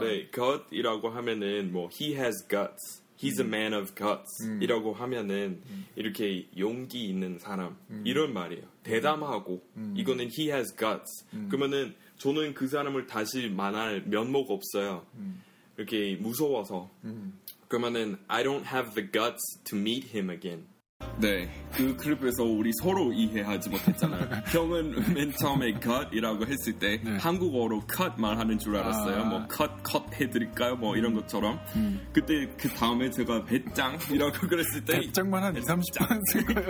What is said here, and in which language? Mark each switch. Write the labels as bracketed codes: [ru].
[ko] 네, 겉이라고 하면은 뭐 [en] he has guts, he's a man of guts [ko] 이라고 하면은 이렇게 용기 있는 사람 이런 말이에요. 대담하고 이거는 [en] he has guts. [ko] 그러면은 저는 그 사람을 다시 만날 면목 없어요. 이렇게 무서워서. 그러면은 [en] I don't have the guts to meet him again. [ko] 네, 그 클립에서 우리 서로 이해하지 못했잖아요. 형은 맨 처음에 cut이라고 했을 때 네. 한국어로 cut 말하는 줄 알았어요. 아. 뭐 cut 해드릴까요? 뭐 이런 것처럼. 그때 그 다음에 제가 배짱이라고 그랬을 때 배짱만 한 2-30분